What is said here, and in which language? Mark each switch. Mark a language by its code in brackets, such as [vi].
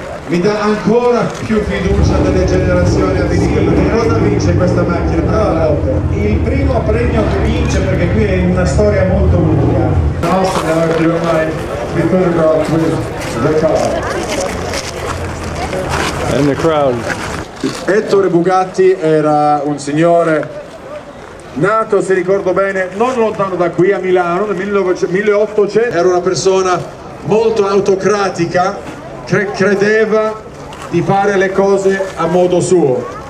[it] Mi dà ancora più fiducia delle generazioni a venire. Che cosa vince questa macchina? Allora, il primo premio che vince, perché qui è una storia molto lunga. [en] Awesome, I do my photograph with the car. And the crowd. [it] Ettore Bugatti era un signore nato, se ricordo bene, non lontano da qui a Milano, nel 1800. Era una persona molto autocratica. Credeva di fare le cose a modo suo.